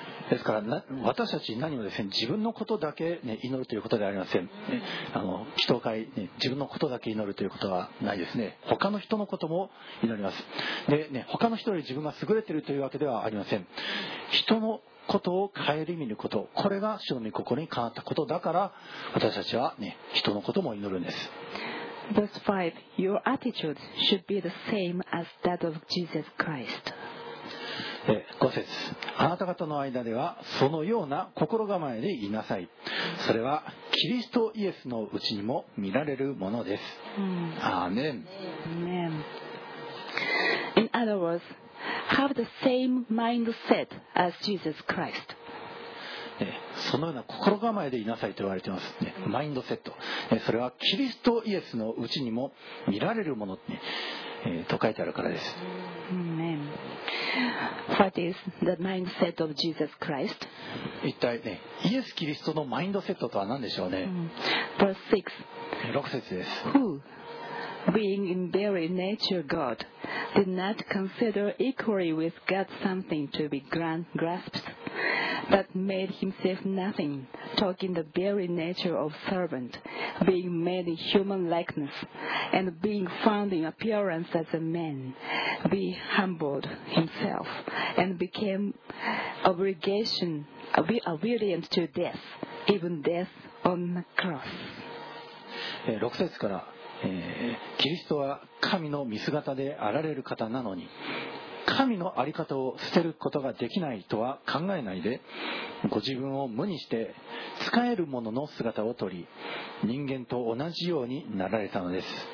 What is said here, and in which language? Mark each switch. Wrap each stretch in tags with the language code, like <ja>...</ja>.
<ja>ですから私たち何もですね、自分のことだけ、ね、祈るということではありません、ね、あの祈祷会、ね、自分のことだけ祈るということはないですね。他の人のことも祈ります。で、ね、他の人より自分が優れているというわけではありません。人のことを顧みること、これが主の御心にかなったことだから、私たちは、ね、人のことも祈るんです。</ja> <en>Verse 5. Your attitude should be the same as that of Jesus Christ.</en> <ja>5節。あなた方の間ではそのような心構えでいなさい。それはキリストイエスのうちにも見られるものです。アーメン。</ja> <en>Amen. In other words, have the same mindset as Jesus Christ.</en> <ja>そのような心構えでいなさいと言われていますね。マインドセット、それはキリストイエスのうちにも見られるもの、ね、と書いてあるからです。</ja> <en>Amen. What is the mindset of Jesus Christ?</en> <ja>一体、ね、イエスキリストのマインドセットとは何でしょうね。</ja> <en>Verse</en> <ja>6. 6節です。</ja> <en>Who, being in very nature God, did not consider equally with God something to be grasped? But made himself nothing, taking the very nature of servant, being made in human likeness, and being found in appearance as a man, he humbled himself and became obedient to death, even death on the cross.</en> <ja>6節から、キリストは神の御姿であられる方なのに、神の在り方を捨てることができないとは考えないで、ご自分を無にして使えるものの姿をとり、人間と同じようになられたのです。</ja>